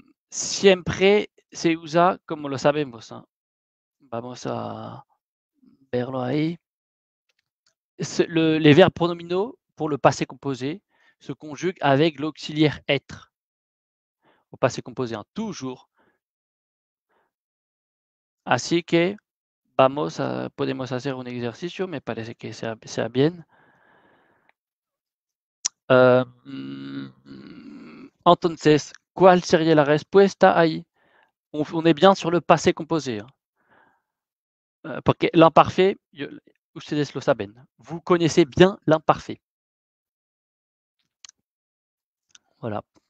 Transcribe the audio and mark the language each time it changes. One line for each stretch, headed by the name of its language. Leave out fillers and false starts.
Spanish: Siempre se usa como lo sabemos, hein. Vamos a verlo ahí.
French: Les verbes pronominaux pour le passé composé se conjuguent avec l'auxiliaire être au passé composé, hein, toujours.
Spanish: Así que podemos hacer un ejercicio, me parece que sea bien. Entonces, ¿cuál sería la respuesta ahí?
French: On est bien sur le passé composé. Porque l'imparfait,
Spanish: ustedes lo saben.
French: Vous connaissez bien l'imparfait. Voilà.